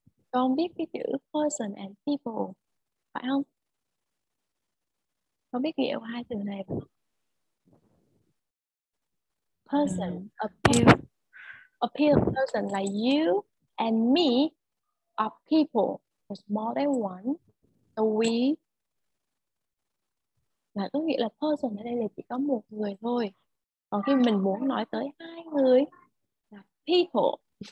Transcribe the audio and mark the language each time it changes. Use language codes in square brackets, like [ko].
[vi] Con biết cái chữ person and people, phải không? Con biết nghĩa của hai từ này không? [en] Person, a person like you and me are people. There's more than one. So we, [vi] là có nghĩa là person ở đây là chỉ có một người thôi. Còn khi mình muốn nói tới hai người, people.